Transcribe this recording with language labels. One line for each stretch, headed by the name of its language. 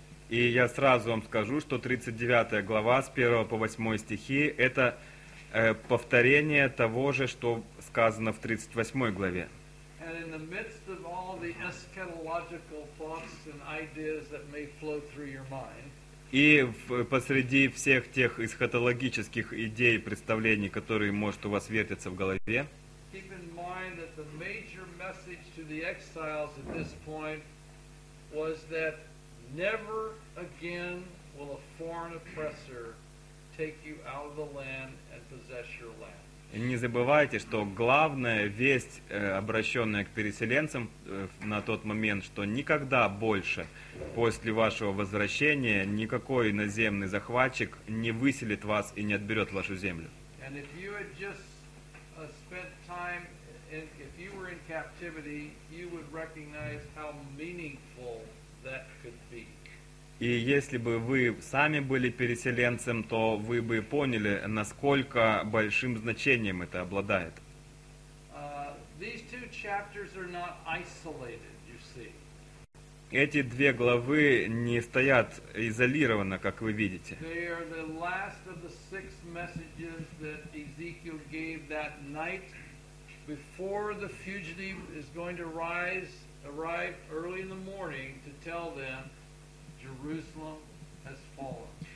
Russian: И я сразу вам скажу, что 39 глава с 1 по 8 стихи – это повторение того же, что сказано в 38 главе.
English: And in the midst of all the eschatological thoughts and ideas that may flow through your mind,
Russian: и посреди всех тех эсхатологических идей, представлений, которые, может, у вас вертятся в голове,
English: keep in mind that the major message to the exiles at this point was that never again will a foreign oppressor take you out of the land and possess your land.
Russian: И не забывайте, что главная весть, обращенная к переселенцам на тот момент, что никогда больше после вашего возвращения никакой иноземный захватчик не выселит вас и не отберет вашу землю.
English: And if you had just spent time, if you were in captivity, you would recognize how meaningful that could be.
Russian: И если бы вы сами были переселенцем, то вы бы поняли, насколько большим значением это обладает.
English: These two chapters are not isolated, you see.
Russian: Эти две главы не стоят изолированно, как вы видите.
English: They are the last of the six messages that Ezekiel gave that night before the fugitive is going to arrive early in the morning to tell them Jerusalem has fallen.